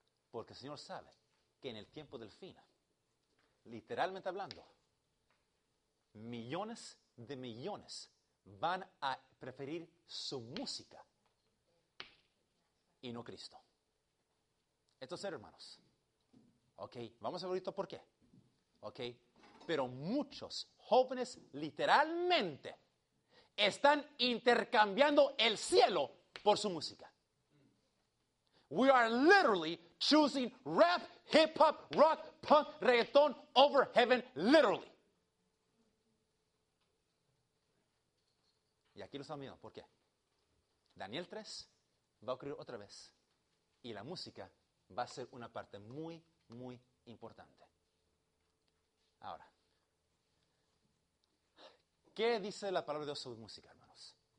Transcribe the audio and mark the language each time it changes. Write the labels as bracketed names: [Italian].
[Spanish] Porque el Señor sabe que en el tiempo del fin, literalmente hablando, millones de millones van a preferir su música y no Cristo. Entonces, hermanos, ok, vamos a ver ahorita por qué. Ok, pero muchos jóvenes literalmente están intercambiando el cielo por su música. [English] We are literally choosing rap, hip hop, rock, punk, reggaeton over heaven, literally. [Spanish] Y aquí lo estamos viendo, ¿por qué? Daniel 3 va a ocurrir otra vez. Y la música va a ser una parte muy, muy importante. Ahora, ¿qué dice la palabra de Dios sobre música, hermanos?